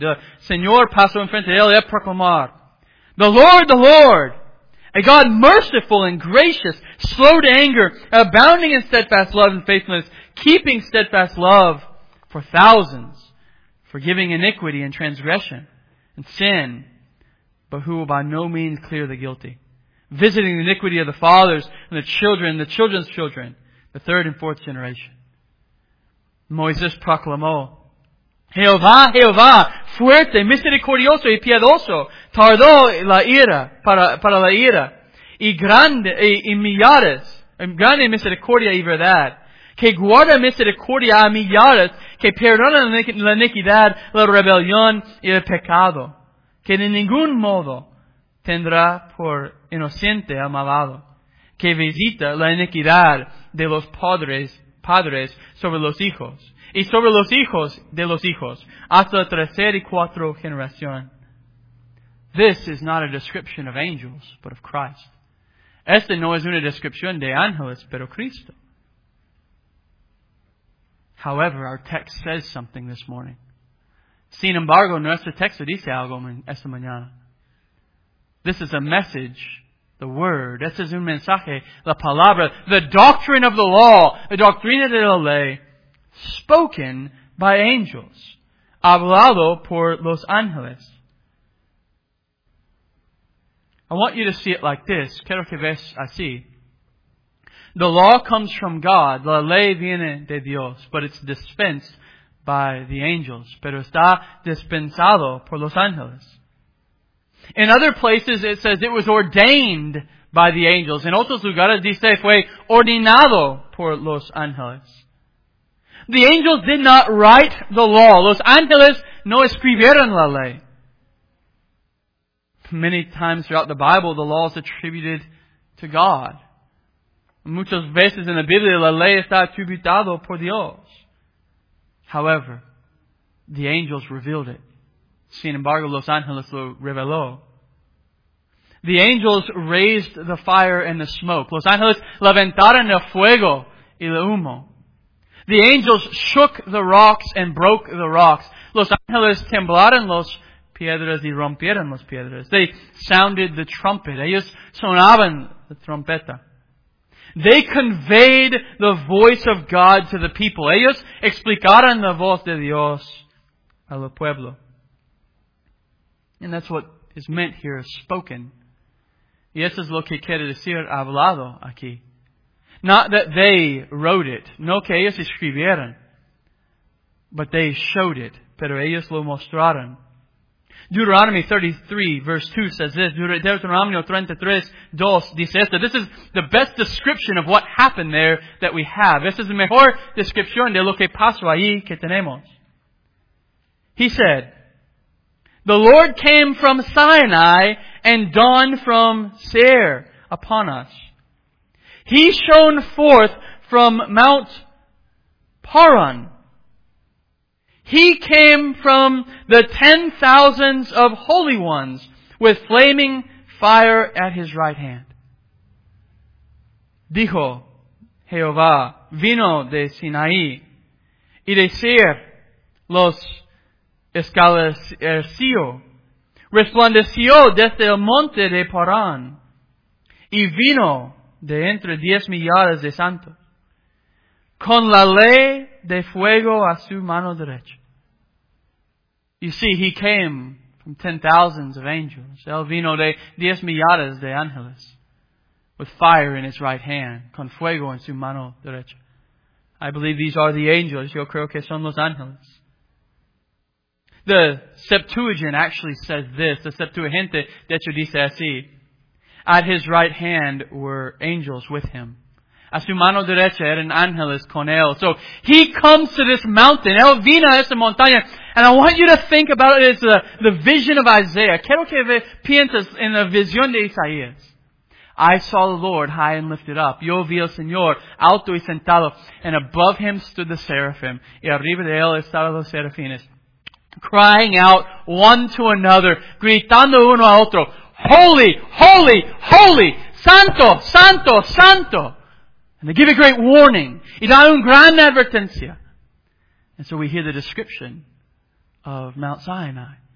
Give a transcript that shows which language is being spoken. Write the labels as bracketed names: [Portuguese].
[Spanish] The Señor pasó enfrente de él y él proclamó. [English] The Lord, a God merciful and gracious, slow to anger, abounding in steadfast love and faithfulness, keeping steadfast love for thousands, forgiving iniquity and transgression and sin, but who will by no means clear the guilty. Visiting the iniquity of the fathers and the children, the children's children, the third and fourth generation. [Spanish] Moisés proclamó, Jehová, Jehová, fuerte, misericordioso y piadoso, tardó la ira, para la ira, y grande, y millares, grande misericordia y verdad, que guarda misericordia a millares, que perdona la iniquidad, la rebelión y el pecado, que de ningún modo tendrá por inocente al malvado, que visita la iniquidad de los padres sobre los hijos, y sobre los hijos de los hijos, hasta la tercera y cuarta generación. [English] This is not a description of angels, but of Christ. [Spanish] Esta no es una descripción de ángeles, pero Cristo. [English] However, our text says something this morning. [Spanish] Sin embargo, nuestro texto dice algo esta mañana. [English] This is a message, the word. [Spanish] Este es un mensaje, la palabra, [English] the doctrine of the law, [Spanish] the doctrina de la ley, [English] spoken by angels, [Spanish] hablado por los ángeles. [English] I want you to see it like this. [Spanish] Quiero que veas así. [English] The law comes from God, [Spanish] la ley viene de Dios, [English] but it's dispensed by the angels, [Spanish] pero está dispensado por los ángeles. [English] In other places it says it was ordained by the angels. [Spanish] En otros lugares dice fue ordenado por los ángeles. [English] The angels did not write the law. [Spanish] Los ángeles no escribieron la ley. [English] Many times throughout the Bible the law is attributed to God. [Spanish] Muchas veces en la Biblia la ley está atributado por Dios. [English] However, the angels revealed it. [Spanish] Sin embargo, los ángeles lo reveló. [English] The angels raised the fire and the smoke. [Spanish] Los ángeles levantaron el fuego y el humo. [English] The angels shook the rocks and broke the rocks. [Spanish] Los ángeles temblaron las piedras y rompieron las piedras. [English] They sounded the trumpet. [Spanish] Ellos sonaban la trompeta. [English] They conveyed the voice of God to the people. [Spanish] Ellos explicaron la voz de Dios al pueblo. [English] And that's what is meant here, spoken. [Spanish] Y eso es lo que quiere decir hablado aquí. [English] Not that they wrote it, [Spanish] no que ellos escribieran, [English] but they showed it, [Spanish] pero ellos lo mostraron. [English] Deuteronomy 33, verse 2 says this. Deuteronomy 33, 2 [Spanish] dice esto. [English] This is the best description of what happened there that we have. [Spanish] Esta es la mejor descripción de lo que pasó ahí que tenemos. [English] He said, the Lord came from Sinai and dawned from Seir upon us. He shone forth from Mount Paran. He came from the 10,000s of holy ones with flaming fire at his right hand. [Spanish] Dijo Jehová, vino de Sinaí y de Seir los escaleció, resplandeció desde el monte de Parán, y vino de entre 10 millares de santos, con la ley de fuego a su mano derecha. [English] You see, he came from 10,000s of angels. [Spanish] Él vino de 10 millares de ángeles, [English] with fire in his right hand, [Spanish] con fuego en su mano derecha. [English] I believe these are the angels. [Spanish] Yo creo que son los ángeles. [English] The Septuagint actually says this. [Spanish] The Septuagint, de hecho, dice así. [English] At his right hand were angels with him. [Spanish] A su mano derecha eran ángeles con él. [English] So, he comes to this mountain. [Spanish] Él vino a esa montaña. [English] And I want you to think about it as the vision of Isaiah. [Spanish] Quiero que pienses en la visión de Isaías. [English] I saw the Lord high and lifted up. [Spanish] Yo vi al Señor alto y sentado. [English] And above him stood the seraphim. [Spanish] Y arriba de él estaban los serafines. [English] Crying out one to another. [Spanish] Gritando uno a otro. [English] Holy, holy, holy. [Spanish] Santo, santo, santo. [English] And they give a great warning. [Spanish] Y dan un gran advertencia. [English] And so we hear the description of Mount Sinai.